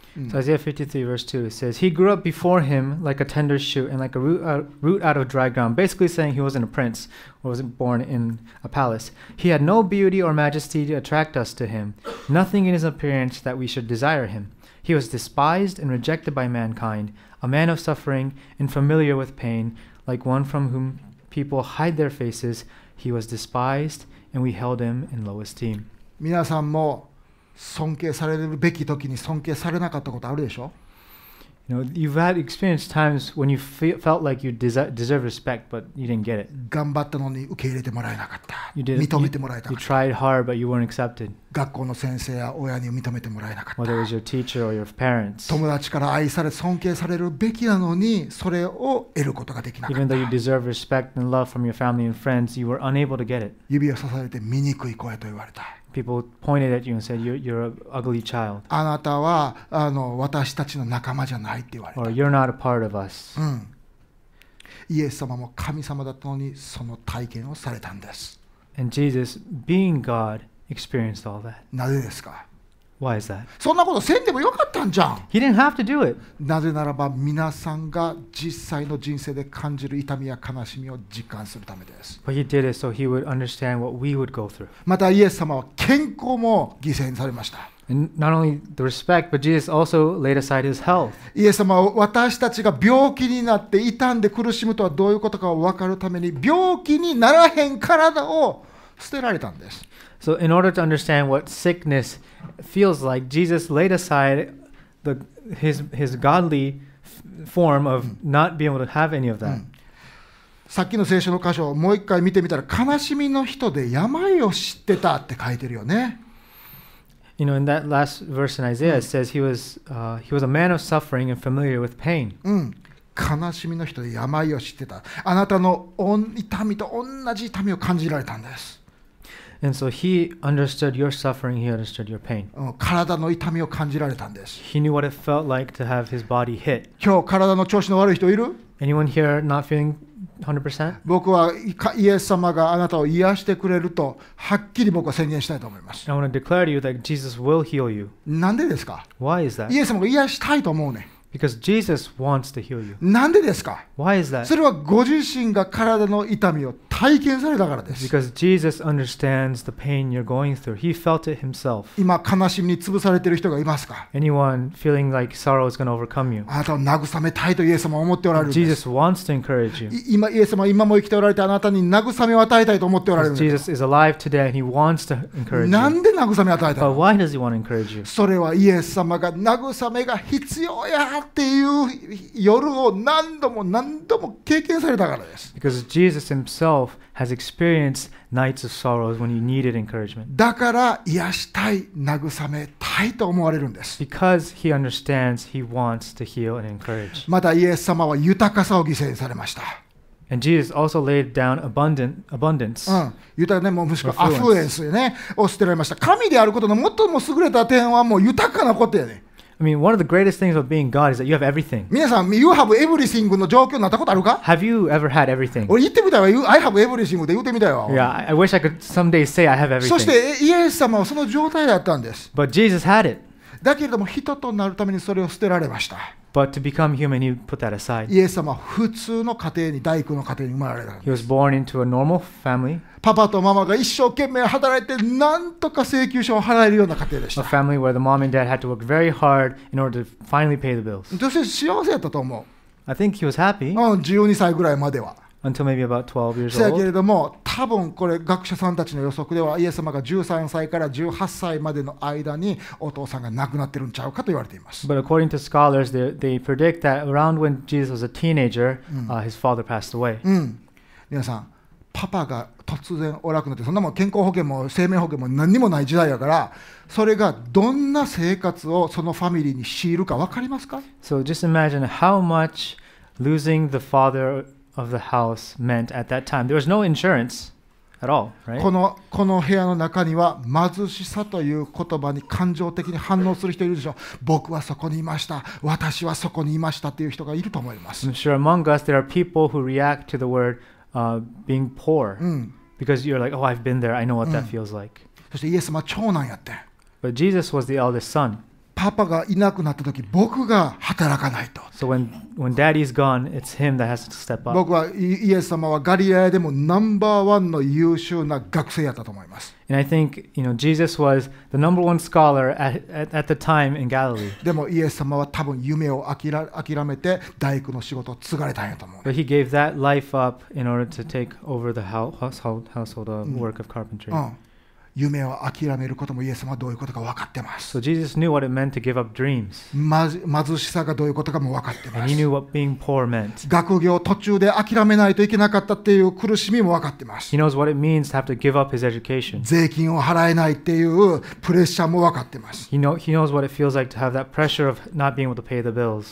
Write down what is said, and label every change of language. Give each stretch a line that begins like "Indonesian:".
English: So Isaiah 53 verse 2 says, He grew up before him like a tender shoot and like a root out of dry ground, basically saying he wasn't a prince or wasn't born in a palace. He had no beauty or majesty to attract us to him, nothing in his appearance that we should desire him. He was despised and rejected by mankind, a man of suffering and familiar with pain, like one from whom people hide their faces. He was despised and we held him in low esteem.
Japanese: 皆さんも尊敬されるべき時に尊敬されなかったことあるでしょ。
English: You know, you've had experienced times when you felt like you deserve respect, but you didn't get it.
Japanese: 頑張ったのに受け入れてもらえなかった。
English: You did,
Japanese: 認めてもらえなかった。
English: You tried hard, but you weren't accepted.
Japanese: 学校の先生や親に認めてもらえなかった。
English: Whether it was your teacher or your parents.
Japanese: 友達から愛され尊敬されるべきなのにそれを得ることができなかった。
English: Even though you deserve respect and love from your family and friends, you were unable to get it.
Japanese: 指を刺されて醜い子やと言われた。
English: People pointed at you and said, "You're an ugly child."
Japanese: あなたはあの私たちの仲間じゃないって言われた。
English: Or you're not a part of us. うん。
Japanese: イエス様も神様だったのにその体験をされたんです。
English: And Jesus, being God, experienced all that.
Japanese: なぜですか？
English: Why is that?
Japanese: そんなことせんでもよかったんじゃん。
English: He didn't have to do it.
Japanese: なぜならば皆さんが実際の人生で感じる痛みや悲しみを実感するためです。
English: But he did it so he would understand what we would go through.
Japanese: またイエス様は健康も犠牲にされました。
English: And not only the respect, but Jesus also laid aside his health.
Japanese: イエス様は私たちが病気になって痛んで苦しむとはどういうことかを分かるために病気にならへん体を捨てられたんです。
English: So in order to understand what sickness feels like, Jesus laid aside the, his godly form of not being able to have any of that.
Japanese: さっきの聖書の箇所をもう一回見てみたら、悲しみの人で病を知ってたって書いてるよね。
English: You know, in that last verse in Isaiah, it says he was a man of suffering and familiar with pain.
Japanese: 悲しみの人で病を知ってた。あなたの痛みと同じ痛みを感じられたんです。
English: And so he understood your suffering, he understood your pain.
Japanese: 体の痛みを感じられたんです。
English: He knew what it felt like to have his body hit.
Japanese: 今日体の調子の悪い人いる？
English: Anyone here not feeling 100%?
Japanese: 僕はイエス様があなたを癒してくれるとはっきり僕は宣言したいと思います。
English: I want to declare to you that Jesus will heal you.
Japanese: なんでですか？
English: Why is that?
Japanese: イエス様が癒したいと思うね。
English: Because Jesus wants to heal you.
Japanese: なんでですか？
English: Why is that?
Japanese: それはご自身が体の痛みを体験されたからです。
English: Because Jesus understands the pain you're going through. He felt it himself.
Japanese: 今悲しみに潰されている人がいますか？
English: Anyone feeling like sorrow is going to overcome you?
Japanese: あなたを慰めたいとイエス様は思っておられるんです。
English: Jesus wants to encourage you.
Japanese: 今イエス様は今も生きておられてあなたに慰めを与えたいと思っておられるんです。
English: Jesus is alive today and he wants to encourage you.
Japanese: なんで慰めを与えたの？
English: But why does he want to encourage you?
Japanese: それはイエス様が慰めが必要やっていう夜を何度も何度も経験されたからです。
English: Because Jesus himself has experienced nights of sorrow when he needed encouragement.
Japanese: だから癒したい、慰めたいと思われるんです。
English: Because he understands he wants to heal and encourage.
Japanese: またイエス様は豊かさを犠牲にされました。
English: And Jesus also laid down abundance.
Japanese: うん、豊かね、もうむしろアフルエンスね、を捨てられました。神であることの最も優れた点はもう豊かなことやね。
English: I mean, one of the greatest things of being God is that you have everything.
Japanese: 皆さん、
English: you have everything
Japanese: の状況になったことあるか？
English: Have you ever had everything?
Japanese: 俺言ってみたいわ。
English: I have everything
Japanese: で言ってみたいわ。
English: Yeah, I wish I could someday say I have everything.
Japanese: そして、イエス様はその状態だったんです。
English: But Jesus had it.
Japanese: だけれども、人となるためにそれを捨てられました。
English: But to become human, he put that aside.
Japanese: イエス様は普通の家庭に、大工の家庭に生まれたんです。
English: He was born into a normal family.
Japanese: パパとママが一生懸命働いて、なんとか請求書を払えるような家庭でした。
English: A family where the mom and dad had to work very hard in order to finally pay the bills.
Japanese: 女性幸せだったと思う。
English: I think he was happy.
Japanese: 12歳ぐらいまでは。
English: Until maybe about 12 years old.
Japanese: せやけれども、多分これ学者さんたちの予測では、イエス様が13歳から18歳までの間にお父さんが亡くなってるんちゃうかと言われています。
English: But according to scholars, they predict that around when Jesus was a teenager,、his father passed away.
Japanese: 皆さん、パパが突然おらくなって、そんなもん健康保険も生命保険も何にもない時代だから、それがどんな生活をそのファミリーに強いるか分かりますか？
English: So just imagine how much losing the father of the house meant at that time. There was no insurance. at all, right?
Japanese: この部屋の中には貧しさという言葉に感情的に反応する人いるでしょう。僕はそこにいました。私はそこにいましたという人がいると思います。
English: I'm sure among us there are people who react to the word being poor because you're like, oh, I've been there. I know what that feels like.
Japanese: そしてイエス様は長男やって。
English: But Jesus was the eldest son.
Japanese: パパがいなくなった時、僕が働かないと。
English: So when daddy's gone, it's him that has to step up.
Japanese: 僕はイエス様はガリラヤでもナンバーワンの優秀な学生やったと思います。
English: And I think, you know, Jesus was the number one scholar at the time in Galilee.
Japanese: でもイエス様は多分夢を諦めて大工の仕事を継がれたんやと思う。
English: But he gave that life up in order to take over the household work of carpentry.
Japanese: 夢を諦めることもイエス様はどういうことか分かってます。
English: So Jesus knew what it meant to give up dreams.
Japanese: 貧しさがどういうことかも分かってます。
English: And he knew what being poor meant.
Japanese: 学業途中で諦めないといけなかったっていう苦しみも分かってます。
English: He knows what it means to have to give up his education.
Japanese: 税金を払えないっていうプレッシャーも分かってます。
English: He knows what it feels like to have that pressure of not being able to pay the bills.